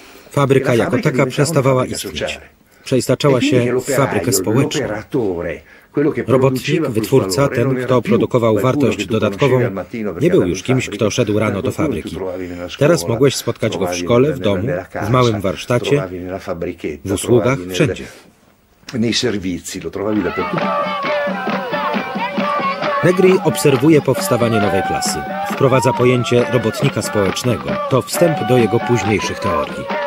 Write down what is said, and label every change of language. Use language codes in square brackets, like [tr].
[pl] Fabryka jako taka przestawała istnieć. Przeistaczała się w fabrykę społeczną. Robotnik, wytwórca, ten, kto produkował wartość dodatkową, nie był już kimś, kto szedł rano do fabryki. Teraz mogłeś spotkać go w szkole, w domu, w małym warsztacie, w usługach, wszędzie. [it] Nei servizi lo trovavi dappertutto. [pl] Negri obserwuje powstawanie nowej klasy. Wprowadza pojęcie robotnika społecznego. To wstęp do jego późniejszych teorii.